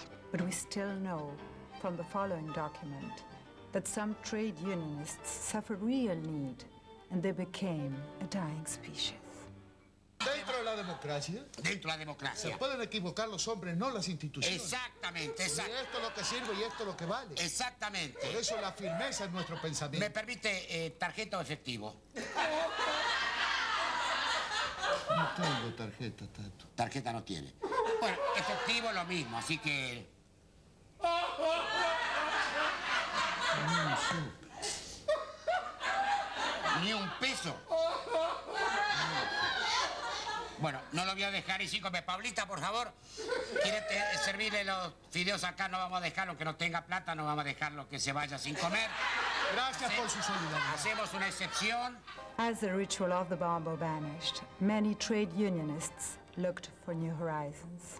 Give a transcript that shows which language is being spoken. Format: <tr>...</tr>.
<en>But we still know from the following document that some trade unionists suffered real need and they became a dying species.</en> <es>democracia? Dentro de la democracia. Se pueden equivocar los hombres, no las instituciones. Exactamente, exactamente. Y esto es lo que sirve y esto es lo que vale. Exactamente. Por eso la firmeza es nuestro pensamiento. ¿Me permite tarjeta o efectivo? No tengo tarjeta, Tato. Tarjeta no tiene. Bueno, efectivo lo mismo, así que... Ni un súper. Ni un peso. Bueno, no lo voy a dejar y sí, come. Paulita, por favor, ¿quiere servirle los fideos acá? No vamos a dejarlo que no tenga plata, no vamos a dejarlo que se vaya sin comer. Gracias por su solidaridad. Hacemos una excepción.</es> <en>As the ritual of the bombo vanished, many trade unionists looked for new horizons.</en>